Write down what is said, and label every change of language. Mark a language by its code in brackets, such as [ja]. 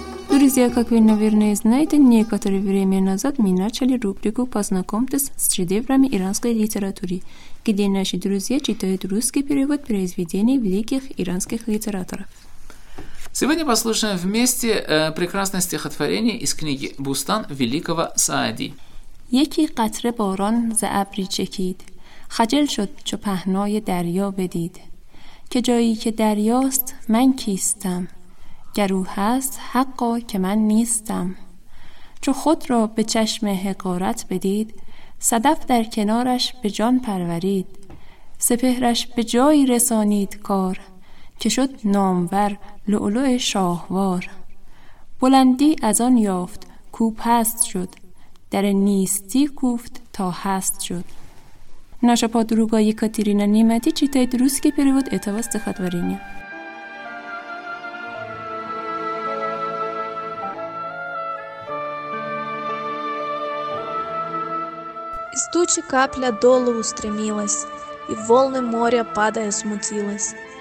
[ru] друзья, как вы, наверное, знаете, некоторое время назад мы начали рубрику «Познакомьтесь с шедеврами иранской литературы», где наши друзья читают русский перевод произведений великих иранских литераторов. Сегодня послушаем вместе прекрасное стихотворение из книги «Бустан» великого Саади. [fa] «Екі قطره باران ز ابری چکید، خجل شد چو پهنای دریا بدید. که جایی که دریاست من کیستم؟ گرو هست حقا که من نیستم. چو خود را به چشم حقارت بدید، صدف در کنارش به جان پرورید. سپهرش به جایی رسانید کار، که شد نامور لؤلؤ شاهوار. بلندی از آن یافت کو پست شد، در نیستی کوفت تا هست شد. [ru] Наша подруга Екатерина Немати читает русский перевод этого стихотворения. Из тучи капля долу устремилась, и волны моря падая смутилась.